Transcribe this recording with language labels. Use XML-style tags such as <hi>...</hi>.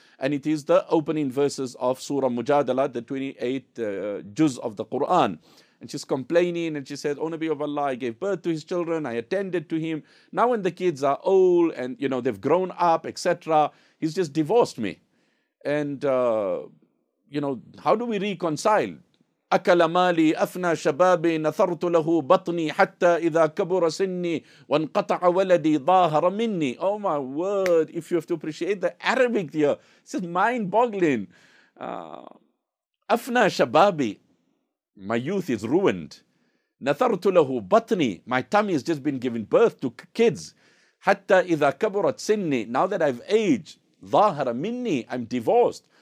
<en>And it is the opening verses of Surah Mujadala, the 28th juz of the Quran. And she's complaining and she says, O Nabi of Allah, I gave birth to his children, I attended to him. Now when the kids are old and, you know, they've grown up, etc., he's just divorced me. And, you know, how do we reconcile?</en> <ar>أَكَلَ مَالِي أَفْنَى شَبَابِي نَثَرْتُ لَهُ بَطْنِي حَتَّى إِذَا كَبُرَ سِنِّي وَانْقَطَعَ وَلَدِي ظَاهَرَ مِنِّي.</ar> <en>Oh my word, if you have to appreciate the Arabic here, it's just mind-boggling.</en> <ar>أَفْنَى شَبَابِي,</ar> <en>my youth is ruined.</en> <ar>نَثَرْتُ لَهُ بَطْنِي,</ar> <en>my tummy has just been given birth to kids.</en> <ar>حَتَّى إِذَا كَبُرَ سِنِّي,</ar> <en>now that I've aged,</en> <ar>ظَاهَرَ مِنِّي,</ar> <en>I'm divorced.</en>